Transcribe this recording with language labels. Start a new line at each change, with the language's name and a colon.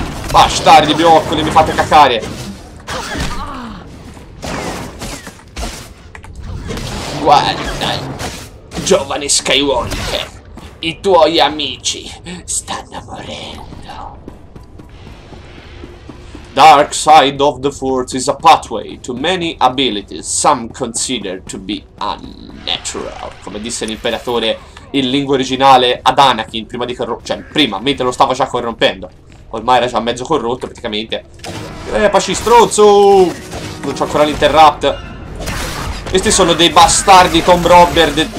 Italian: Bastardi bioccoli, mi fate cacare. Guarda, giovane Skywalker, i tuoi amici stanno morendo.
English: Dark side of the Force is a pathway to many abilities some consider to be unnatural.
Italian: Come disse l'imperatore in lingua originale ad Anakin prima di corrompere. Cioè, prima, mentre lo stava già corrompendo. Ormai era già mezzo corrotto praticamente. Paci stronzo! Non c'ho ancora l'interrupt. Questi sono dei bastardi Tomb Robber.